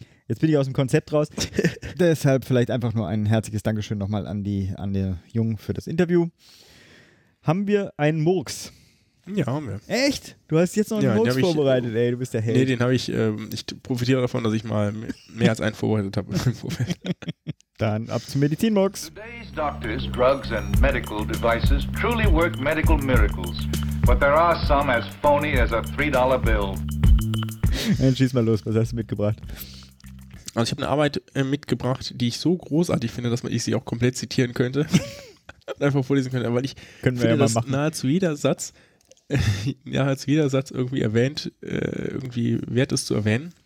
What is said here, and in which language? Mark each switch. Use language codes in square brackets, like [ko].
[de] Jetzt bin ich aus dem Konzept raus. Deshalb vielleicht einfach nur ein herzliches Dankeschön nochmal an den Jungen für das Interview. Haben wir einen Murks? Ja, haben wir. Echt? Du hast jetzt noch einen Murks vorbereitet, du bist der Held. Nee, den habe ich, ich profitiere davon, dass ich mal mehr als einen vorbereitet habe. Dann ab zum Medizin-Murks. [en] Today's doctors, drugs and medical devices truly work medical miracles. But there are some as phony as a $3 bill. [de] Dann schieß mal los, was hast du mitgebracht? Also ich habe eine Arbeit mitgebracht, die ich so großartig finde, dass ich sie auch komplett zitieren könnte. Einfach vorlesen könnte, weil ich nahezu jeder Satz irgendwie erwähnt, irgendwie wert ist zu erwähnen.